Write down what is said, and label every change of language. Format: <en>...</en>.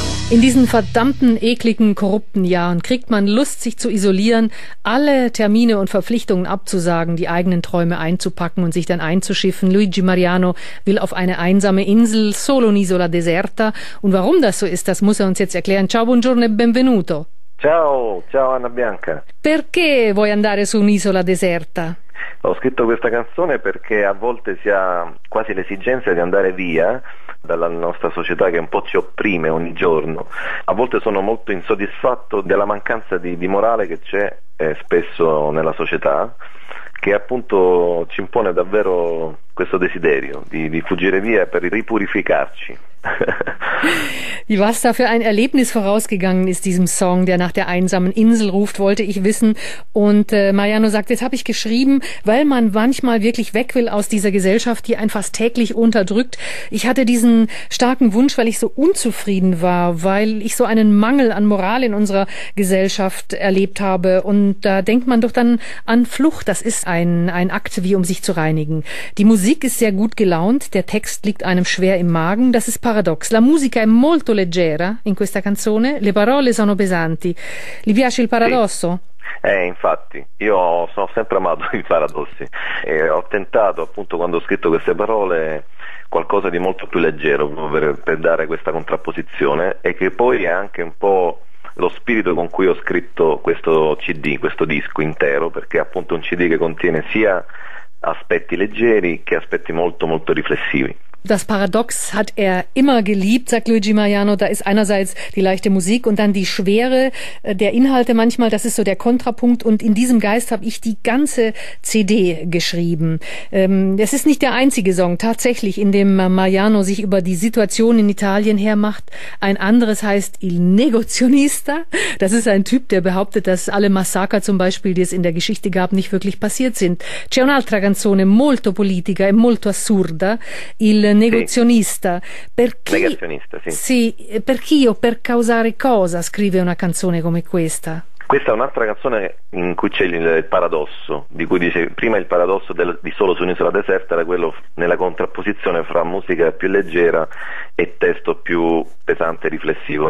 <de>In diesen verdammten, ekligen, korrupten Jahren kriegt man Lust, sich zu isolieren, alle Termine und Verpflichtungen abzusagen, die eigenen Träume einzupacken und sich dann einzuschiffen. Luigi Mariano will auf eine einsame Insel,</de> <it>solo un'isola deserta.</it> <de>Und warum das so ist, das muss er uns jetzt erklären.</de> <it>Ciao, buongiorno e benvenuto. Ciao, ciao Anna Bianca. Perché vuoi andare su un'isola deserta? Ho scritto questa canzone perché a volte si ha quasi l'esigenza di andare via dalla nostra società che un po' ci opprime ogni giorno. A volte sono molto insoddisfatto della mancanza di morale che c'è spesso nella società, che appunto ci impone davvero questo desiderio di fuggire via per ripurificarci.</it> <de>Was da für ein Erlebnis vorausgegangen ist diesem Song, der nach der einsamen Insel ruft, wollte ich wissen. Und Mariano sagt, jetzt habe ich geschrieben, weil man manchmal wirklich weg will aus dieser Gesellschaft, die einen fast täglich unterdrückt. Ich hatte diesen starken Wunsch, weil ich so unzufrieden war, weil ich so einen Mangel an Moral in unserer Gesellschaft erlebt habe. Und da denkt man doch dann an Flucht. Das ist ein Akt, wie um sich zu reinigen. Die Musik ist sehr gut gelaunt. Der Text liegt einem schwer im Magen. Das ist paradox.</de> <it>La musica è molto leggera in questa canzone, le parole sono pesanti. Gli piace il paradosso? Sì. Infatti, io sono sempre amato i paradossi e ho tentato appunto quando ho scritto queste parole qualcosa di molto più leggero per dare questa contrapposizione e che poi è anche un po' lo spirito con cui ho scritto questo CD, questo disco intero, perché è appunto un CD che contiene sia aspetti leggeri che aspetti molto molto riflessivi.</it> <de>Das Paradox hat er immer geliebt, sagt Luigi Mariano. Da ist einerseits die leichte Musik und dann die Schwere der Inhalte manchmal. Das ist so der Kontrapunkt. Und in diesem Geist habe ich die ganze CD geschrieben. Es ist nicht der einzige Song, tatsächlich, in dem Mariano sich über die Situation in Italien hermacht. Ein anderes heißt Il Negozionista. Das ist ein Typ, der behauptet, dass alle Massaker zum Beispiel, die es in der Geschichte gab, nicht wirklich passiert sind.</de> <it>C'è un'altra canzone molto politica e molto assurda. Il negozionista. Sì. Perché? Negozionista, sì. Sì, per chi o per causare cosa scrive una canzone come questa? Questa è un'altra canzone in cui c'è il paradosso, di cui dice prima il paradosso di Solo su un'isola deserta era quello nella contrapposizione fra musica più leggera e testo più pesante e riflessivo.</it>